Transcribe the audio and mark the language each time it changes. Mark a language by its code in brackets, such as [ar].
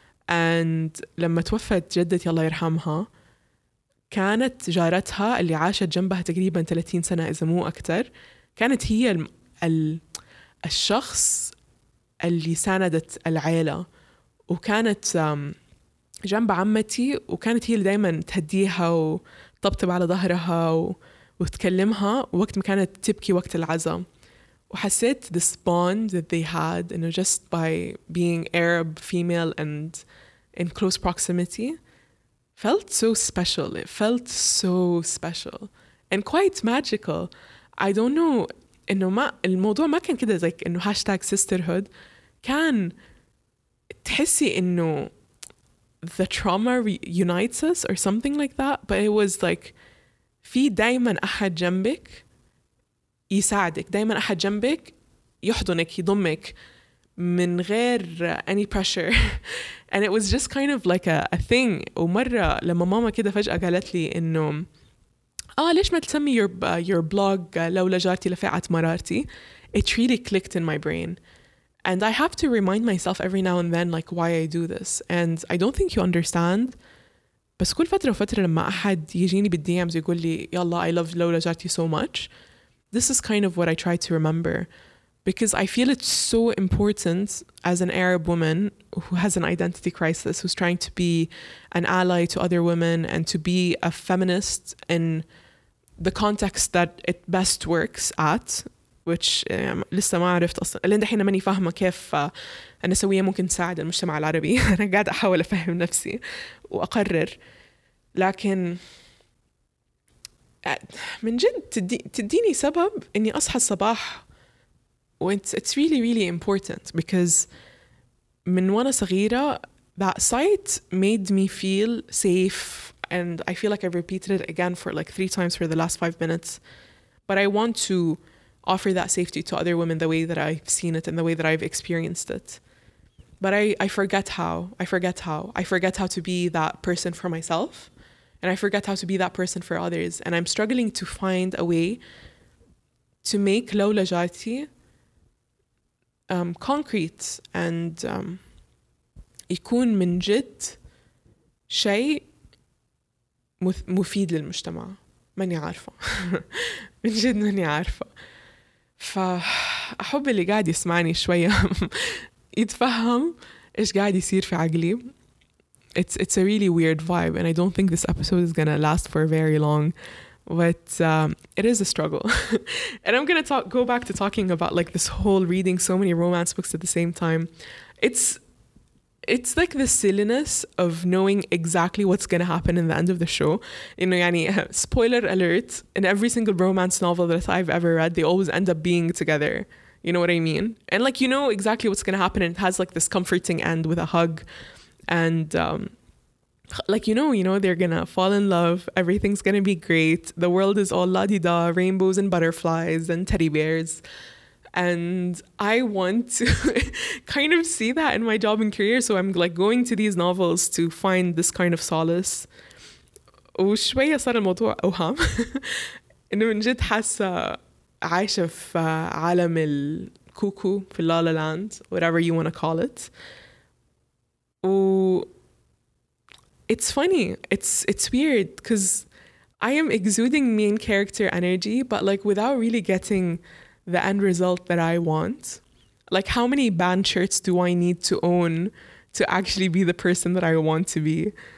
[en] And [ar] لما توفت جدتي الله يرحمها كانت جارتها اللي عاشت جنبها تقريبا 30 سنة إذا مو أكتر كانت هي الشخص اللي ساندت العيلة, وكانت جنب عمتي وكانت هي اللي دايما تهديها وطبطب على ظهرها وتكلمها وقت ما كانت تبكي وقت العزاء. وحسيت [en] this bond that they had you know, just by being Arab female and in close proximity felt so special. It felt so special and quite magical. I don't know [ar] إنه ما الموضوع ما كان كده زي إنه [en] hashtag sisterhood, [ar] كان تحسي إنه [en] the trauma reunites us or something like that, but it was like [ar] في دايما أحد جنبك يساعدك, دايما أحد جنبك يحضنك يضمك من غير [en] any pressure. And it was just kind of like a thing. [ar] ومرة لما ماما كده فجأة قالت لي إنه ليش ما تسمي [en] your blog [ar] لولا جارتي لفاعة مرارتي, [en] it really clicked in my brain. And I have to remind myself every now and then like why I do this. And I don't think you understand. [ar] بس كل فترة وفترة لما أحد يجيني بالDMs يقول لي يلا [en] I love لولا جارتي so much, this is kind of what I try to remember. because I feel it's so important as an Arab woman who has an identity crisis, who's trying to be an ally to other women and to be a feminist in the context that it best works at, which [ar] لسه ما عرفت أصلاً. اللي دحين ماني فاهمة كيف النسوية ممكن تساعد المجتمع العربي. أنا قاعدة أحاول أفهم نفسي وأقرر. لكن من جد تديني سبب إني أصحى الصباح. [en] It's really, really important because [ar] من وانا صغيرة [en] that sight made me feel safe, and I feel like I've repeated it again for like 3 times for the last 5 minutes, but I want to offer that safety to other women the way that I've seen it and the way that I've experienced it. But I forget how to be that person for myself, and I forget how to be that person for others, and I'm struggling to find a way to make Lawla Jati concrete and [ar] يكون من جد شيء مفيد للمجتمع. ماني عارفة. من جد ماني عارفة. فأحب اللي قاعد يسمعني شوية يتفهم إيش قاعد يصير في عقلي. [en] It's a really weird vibe, and I don't think this episode is gonna last for very long. But it is a struggle. And I'm gonna go back to talking about like this whole reading so many romance books at the same time. It's like the silliness of knowing exactly what's gonna happen in the end of the show. You know, yani, spoiler alert, in every single romance novel that I've ever read, they always end up being together. You know what I mean? And like, you know exactly what's gonna happen, and it has like this comforting end with a hug. And like, you know, they're gonna fall in love, everything's gonna be great, the world is all la-di-da, rainbows and butterflies and teddy bears. And I want to kind of see that in my job and career. So I'm like going to these novels to find this kind of solace. [ar] وشوية صار الموضوع أوهام. إنه من جد حاسة عايشة في عالم الكوكو في لالا لاند, [en] whatever you want to call it. [ar] و [en] it's funny. It's weird because I am exuding main character energy, but like without really getting the end result that I want. Like, how many band shirts do I need to own to actually be the person that I want to be?